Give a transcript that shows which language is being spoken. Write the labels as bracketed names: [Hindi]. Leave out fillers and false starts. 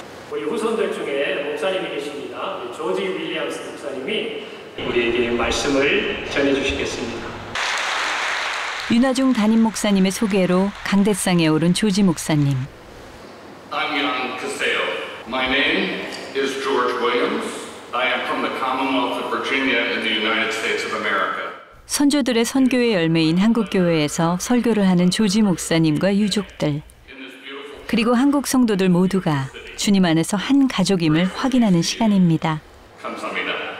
[Korean] 우리 후손들 중에 목사님이 계십니다. 조지 윌리엄스 목사님이 우리에게 말씀을 전해 주시겠습니다. 윤하중 담임 목사님의 소개로 강대상에 오른 조지 목사님. [English] I'm young Casale. My name is George Williams. I am from the Commonwealth of Virginia in the United States of America. [Korean] 선조들의 선교의 열매인 한국교회에서 설교를 하는 조지 목사님과 유족들, 그리고 한국 성도들 모두가 주님 안에서 한 가족임을 확인하는 시간입니다. 감사합니다.